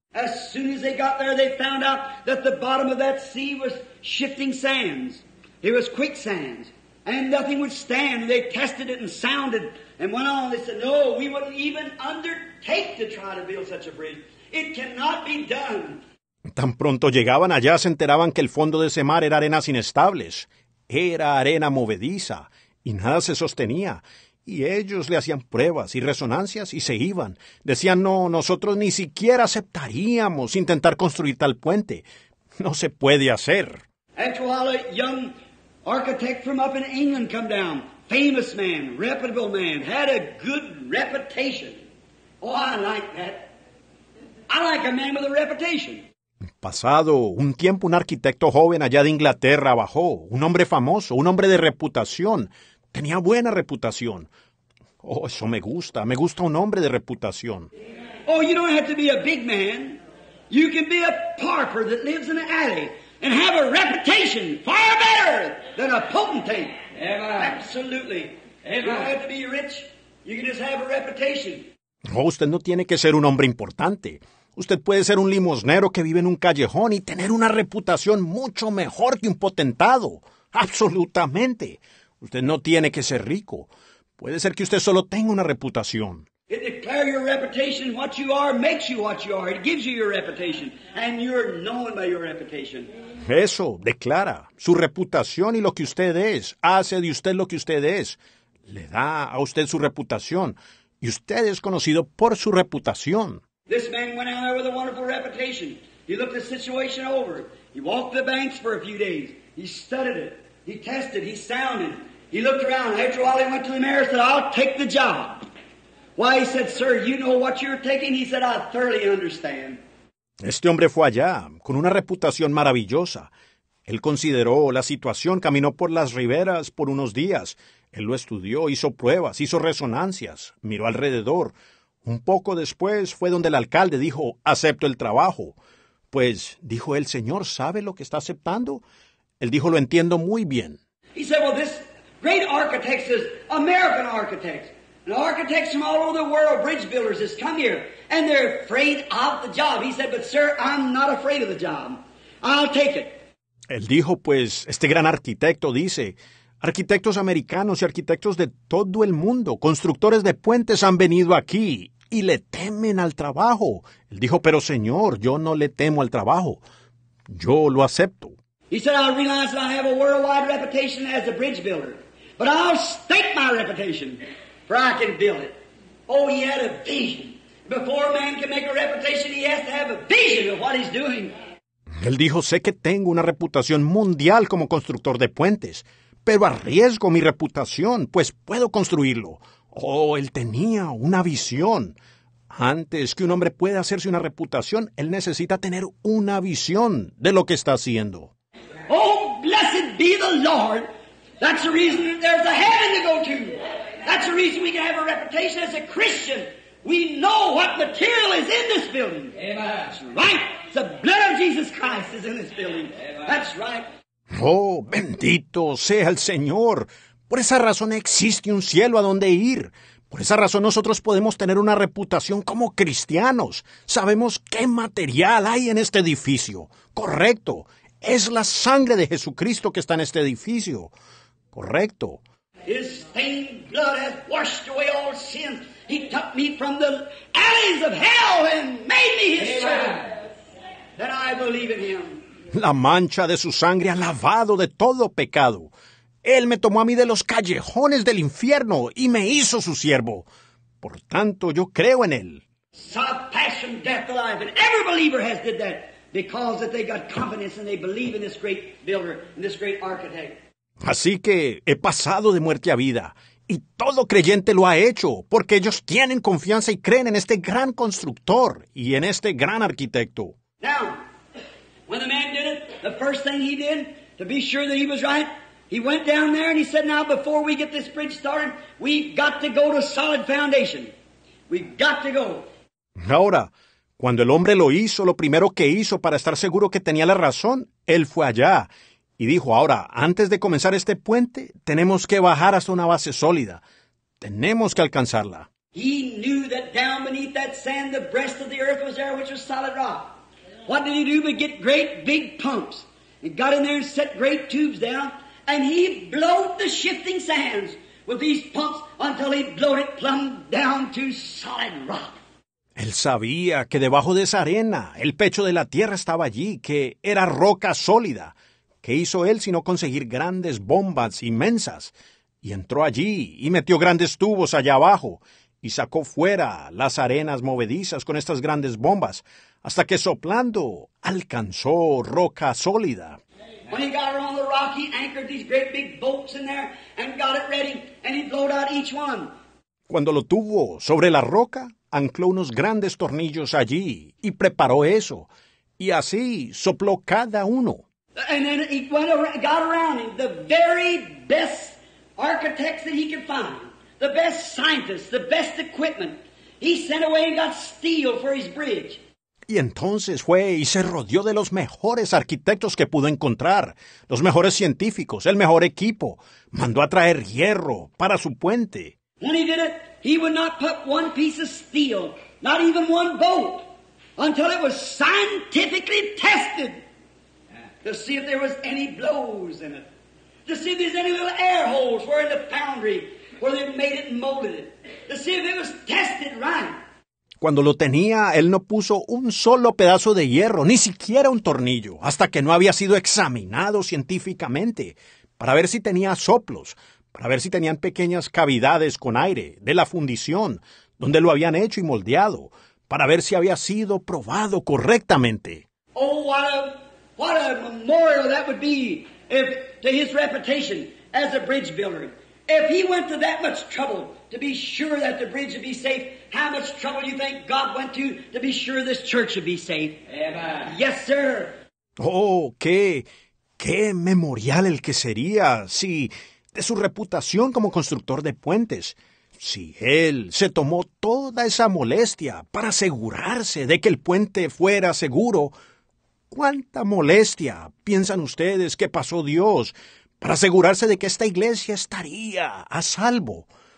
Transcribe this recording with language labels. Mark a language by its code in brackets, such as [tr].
[en] As soon as they got there, they found out that the bottom of that sea was shifting sands. It was quicksands. And nothing would stand. They tested it and sounded and went on. They said, no, we wouldn't even undertake to try to build such a bridge. It cannot be done. [es] Tan pronto llegaban allá, se enteraban que el fondo de ese mar era arenas inestables. Era arena movediza y nada se sostenía. Y ellos le hacían pruebas y resonancias y se iban. Decían, no, nosotros ni siquiera aceptaríamos intentar construir tal puente. No se puede hacer. [en] Actually, a young architect from up in England come down. Famous man, reputable man, had a good reputation. Oh, I like that. I like a man with a reputation. [es] Pasado un tiempo, un arquitecto joven allá de Inglaterra bajó, un hombre famoso, un hombre de reputación. Tenía buena reputación. Oh, eso me gusta un hombre de reputación. [en] Oh, you don't have to be a big man. You can be a pauper that lives in an alley and have a reputation far better than a potentate. Amen. Absolutely. Amen. You don't have to be rich. You can just have a reputation. [es] Oh, usted no tiene que ser un hombre importante. Usted puede ser un limosnero que vive en un callejón y tener una reputación mucho mejor que un potentado. Absolutamente. Usted no tiene que ser rico. Puede ser que usted solo tenga una reputación. [en] It declares your reputation. What you are makes you what you are. It gives you your reputation. And you're known by your reputation. [es] Eso declara su reputación y lo que usted es. Hace de usted lo que usted es. Le da a usted su reputación. Y usted es conocido por su reputación. [en] This man went out there with a wonderful reputation. He looked the situation over. He walked the banks for a few days. He studied it. He tested. He sounded. He looked around. After a while, he went to the mayor and said, I'll take the job. Why, he said, sir, you know what you're taking? He said, I thoroughly understand. [es] Este hombre fue allá con una reputación maravillosa. Él consideró la situación, caminó por las riberas por unos días. Él lo estudió, hizo pruebas, hizo resonancias, miró alrededor. Un poco después fue donde el alcalde dijo, acepto el trabajo. Pues, dijo él, señor, ¿sabe lo que está aceptando? Él dijo, lo entiendo muy bien. [en] He said, well, this great architect is American architect. And architects from all over the world, bridge builders, has come here. And they're afraid of the job. He said, but sir, I'm not afraid of the job. I'll take it. [es] Él dijo, pues, este gran arquitecto dice, Arquitectos americanos y arquitectos de todo el mundo, constructores de puentes han venido aquí y le temen al trabajo. Él dijo, pero señor, yo no le temo al trabajo. Yo lo acepto. [en] He said, I realize that I have a worldwide reputation as a bridge builder, but I'll stake my reputation, for I can build it. Oh, he had a vision. Before a man can make a reputation, he has to have a vision of what he's doing. [es] Él dijo, sé que tengo una reputación mundial como constructor de puentes, pero arriesgo mi reputación, pues puedo construirlo. Oh, él tenía una visión. Antes que un hombre pueda hacerse una reputación, él necesita tener una visión de lo que está haciendo. [en] Oh, blessed be the Lord. That's the reason that there's a heaven to go to. That's the reason we can have a reputation as a Christian. We know what material is in this building. Amen. That's right. The blood of Jesus Christ is in this building. Amen. That's right. [es] Oh, bendito sea el Señor. Por esa razón existe un cielo a donde ir. Por esa razón nosotros podemos tener una reputación como cristianos. Sabemos qué material hay en este edificio. Correcto. Es la sangre de Jesucristo que está en este edificio. Correcto. [en] His stained blood has washed away all sin. He took me from the alleys of hell and made me his child. That I believe in him. [es] La mancha de su sangre ha lavado de todo pecado. Él me tomó a mí de los callejones del infierno y me hizo su siervo. Por tanto, yo creo en él. [en] Soft passion, death, alive, and every believer has did that because that they got confidence and they believe in this great builder, in this great architect. [es] Así que he pasado de muerte a vida y todo creyente lo ha hecho porque ellos tienen confianza y creen en este gran constructor y en este gran arquitecto. [en] Now, when the man did it, the first thing he did to be sure that he was right, he went down there and he said, now before we get this bridge started, we've got to go to solid foundation. We've got to go. [es] Ahora, cuando el hombre lo hizo, lo primero que hizo para estar seguro que tenía la razón, él fue allá y dijo, ahora, antes de comenzar este puente, tenemos que bajar hasta una base sólida. Tenemos que alcanzarla. [en] He knew that down beneath that sand, the breast of the earth was there, which was solid rock. What did he do but get great big pumps? He got in there and set great tubes down, and he blowed the shifting sands with these pumps until he blowed it plumb down to solid rock. [es] Él sabía que debajo de esa arena, el pecho de la tierra estaba allí, que era roca sólida. ¿Qué hizo él sino conseguir grandes bombas inmensas? Y entró allí y metió grandes tubos allá abajo y sacó fuera las arenas movedizas con estas grandes bombas, hasta que soplando alcanzó roca sólida. [en] When he got her on the rock, he anchored these great big bolts in there and got it ready, and he blowed out each one. [es] Cuando lo tuvo sobre la roca, ancló unos grandes tornillos allí y preparó eso, y así sopló cada uno. [en] And then he went around, got around him the very best architects that he could find, the best scientists, the best equipment. He sent away and got steel for his bridge. [es] Y entonces fue y se rodeó de los mejores arquitectos que pudo encontrar, los mejores científicos, el mejor equipo. Mandó a traer hierro para su puente. [en] When he did it, he would not put one piece of steel, not even one bolt, until it was scientifically tested to see if there was any blows in it, to see if there's any little air holes where in the foundry where they made it and molded it, to see if it was tested right. [es] Cuando lo tenía, él no puso un solo pedazo de hierro, ni siquiera un tornillo, hasta que no había sido examinado científicamente para ver si tenía soplos, para ver si tenían pequeñas cavidades con aire de la fundición donde lo habían hecho y moldeado, para ver si había sido probado correctamente. [en] Oh, what a memorial that would be if, to his reputation as a bridge builder. If he went to that much trouble to be sure that the bridge would be safe, how much trouble you think God went to be sure this church would be safe? Amen. Yes, sir. [es] Oh, qué memorial el que sería si de su reputación como constructor de puentes, si él se tomó toda esa molestia para asegurarse de que el puente fuera seguro, ¿cuánta molestia piensan ustedes que pasó Dios para asegurarse de que esta iglesia estaría a salvo?